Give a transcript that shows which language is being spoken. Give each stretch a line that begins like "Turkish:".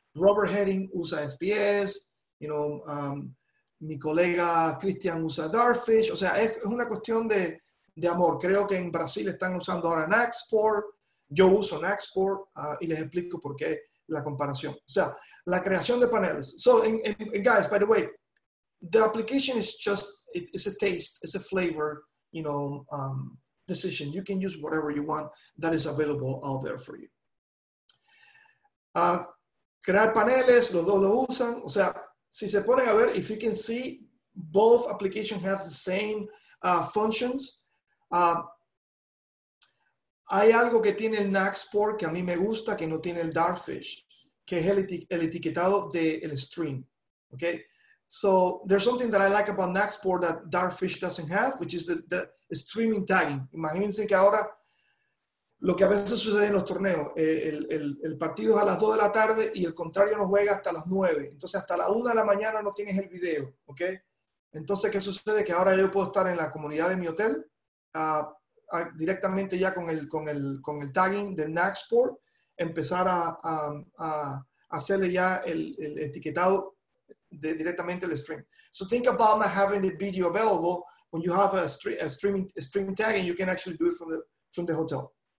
Spanish: Robert Heading usa XPS. You know, mi colega Christian usa Darkfish. O sea, es una cuestión de amor. Creo que en Brasil están usando ahora NaxPort. Yo uso NaxPort y les explico por qué la comparación. O sea, la creación de paneles.
English: So, and guys, by the way, the application is just, it's a taste, it's a flavor, you know, decision. You can use whatever you want that is available out there for you.
Spanish: Crear paneles, los dos lo usan. O sea, si se ponen a ver,
English: if you can see, both applications have the same functions.
Spanish: Hay algo que tiene el NaxPort que a mí me gusta, que no tiene el Darkfish, que es el etiquetado del stream.
English: Okay? So there's something that I like about NaxPort that Darkfish doesn't have, which is the streaming tagging.
Spanish: Imagínense que ahora lo que a veces sucede en los torneos, el partido es a las 2 de la tarde y el contrario no juega hasta las 9. Entonces hasta la 1 de la mañana no tienes el video. Okay? Entonces, ¿qué sucede? Que ahora yo puedo estar en la comunidad de mi hotel directamente ya con el tagging del NaxPort, empezar a hacerle ya el etiquetado de directamente el stream.
English: So think about not having the video available. When you have a streaming tagging, you can actually do it from the hotel.